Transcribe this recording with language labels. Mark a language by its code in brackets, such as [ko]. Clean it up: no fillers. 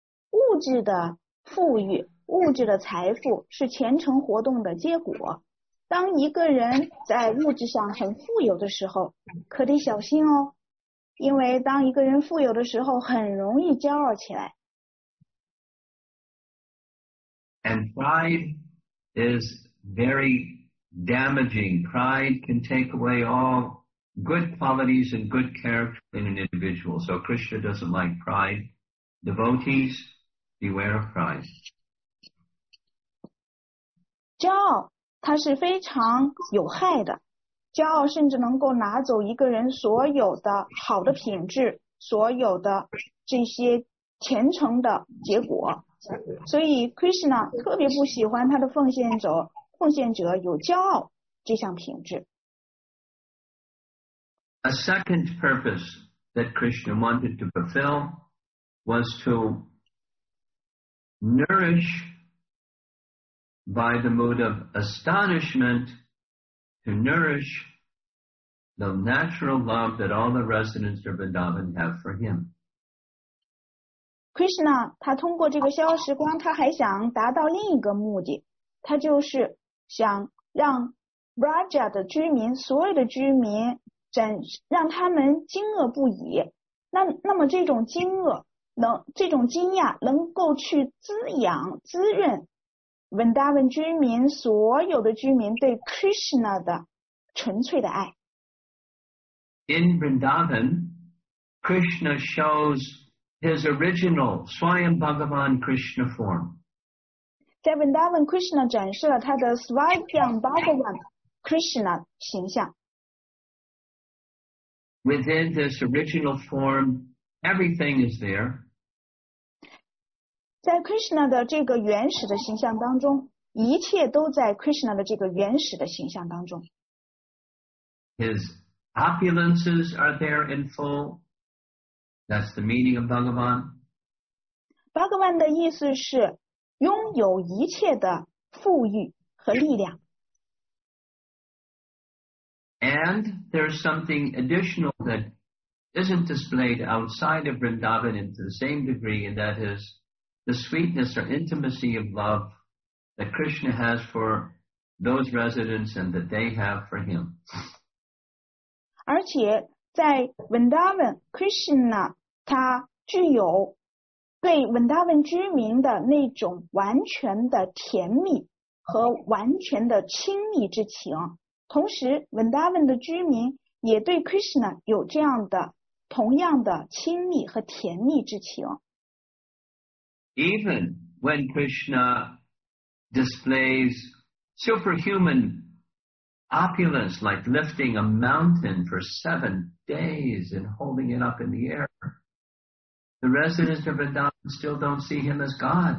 [zh] 物质的富裕，物质的财富是虔诚活动的结果。当一个人在物质上很富有的时候，可得小心哦。因为当一个人富有的时候，很容易骄傲起来。 [en] And pride is very damaging. Pride can take away all good qualities and good character in an individual. So Krishna doesn't like pride. Devotees, beware of pride. [zh] 骄傲，它是非常有害的。骄傲甚至能够拿走一个人所有的好的品质，所有的这些虔诚的结果。所以 Krishna 特别不喜欢他的奉献者有骄傲这项品质。 [en] A second purpose that Krishna wanted to fulfill was to nourish by the mood of astonishment. To nourish the natural love that all the residents of Vrindavan have for him. [zh] Krishna, 他通过这个消时光，他还想达到另一个目的，他就是想让 Raja 的居民，所有的居民展，让他们惊愕不已。那么这种惊愕，能这种惊讶能够去滋养、滋润。 Vrindavan 居民所有的居民对 Krishna 的纯粹的爱。 [en] In Vrindavan, Krishna shows his original Swayam Bhagavan Krishna form. [zh] 在 Vrindavan, Krishna 展示了他的 Swayam Bhagavan Krishna 形象。 [en] Within this original form, everything is there. [zh] 在 Krishna 的这个原始的形象当中，一切都在 Krishna 的这个原始的形象当中。 [en] His opulences are there in full. That's the meaning of Bhagavan. [zh] Bhagavan 的意思是拥有一切的富裕和力量。 [en] And there's something additional that isn't displayed outside of Vrindavan into the same degree, and that is. The sweetness or intimacy of love that Krishna has for those residents and that they have for him. [zh] 而且在 Vrindavan, Krishna 他具有对 Vrindavan 居民的那种完全的甜蜜和完全的亲密之情。同时 Vrindavan 的居民也对 Krishna 有这样的同样的亲密和甜蜜之情。 [en] Even when Krishna displays superhuman opulence like lifting a mountain for 7 days and holding it up in the air, the residents of Vrindavan still don't see him as God.